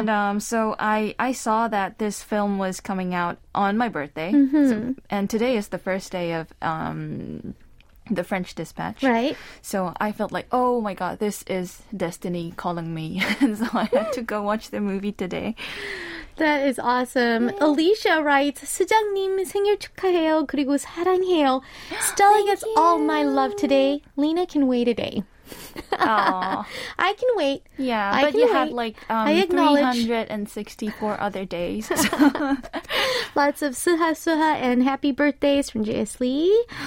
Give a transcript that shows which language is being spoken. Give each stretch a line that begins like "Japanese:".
English: And so I saw that this film was coming out on my birthday. Mm-hmm. So, and today is the first day of The French Dispatch. Right. So I felt like, oh my god, this is destiny calling me. And so I had to go watch the movie today. That is awesome. Yay.
Korean: Alicia
English: writes,
Korean: 수장님 생일 축하해요. 그리고 사랑해요.
English: Stella gets all my love today. Lena can wait a day. Oh. I can wait. Yeah, I but you have like 364 other days. So. Lots of suha suha and happy birthdays from JS Lee.